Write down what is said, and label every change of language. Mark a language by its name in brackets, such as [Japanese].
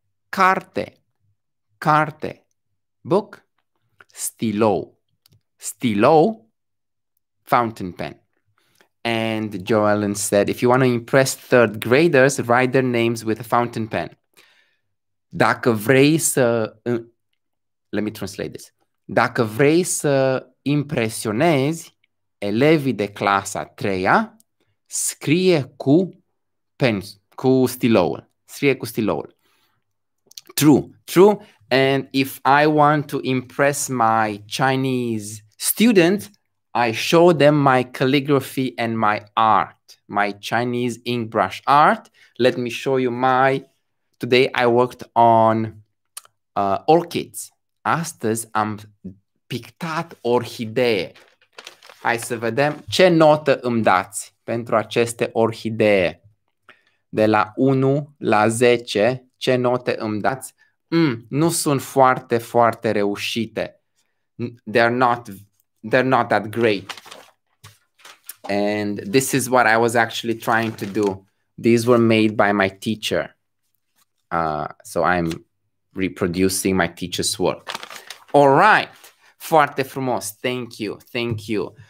[Romanian] Carte, carte, book. Stilo, stilo, fountain pen. [English] And Joellen said, if you want to impress third graders, write their names with a fountain pen. [Romanian] Dacă vrei să... [English] let me translate this. [Romanian] Dacă vrei să impresionezi elevii de clasa treia, scrie cu pen, cu stiloul. Scrie cu stiloul. [English] True, true. And if I want to impress my Chinese student, I show them my calligraphy and my art, my Chinese ink brush art. Let me show you my... Today I worked on orchids. [Romanian] Astăzi am pictat orhidee. Hai să vedem ce notă îmi dați pentru aceste orhidee. De la 1 la 10, ce note îmi dați? Nu sunt foarte, foarte reușite. [English] They're not that great. And this is what I was actually trying to do. These were made by my teacher. So I'm reproducing my teacher's work. All right. [Romanian] Foarte frumos. [English] Thank you. Thank you.